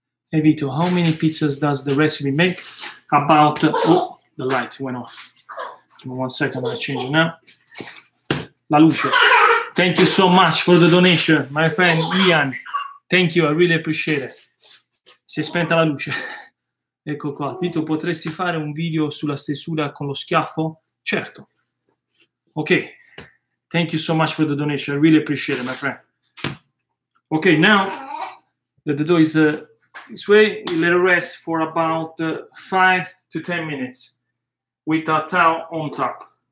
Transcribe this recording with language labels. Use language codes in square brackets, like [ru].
[en] Hey, Vito, how many pizzas does the recipe make? About, oh, the light went off. Give me 1 second, I'll change it now. [it] La luce. [en] Thank you so much for the donation, my friend Ian. Thank you, I really appreciate it. [it] Si è spenta la luce. Ecco qua. Vito, potresti fare un video sulla stesura con lo schiaffo? Certo. [en] Okay, thank you so much for the donation. I really appreciate it, my friend. Okay, now that the dough is this way, we let it rest for about 5 to 10 minutes with a towel on top.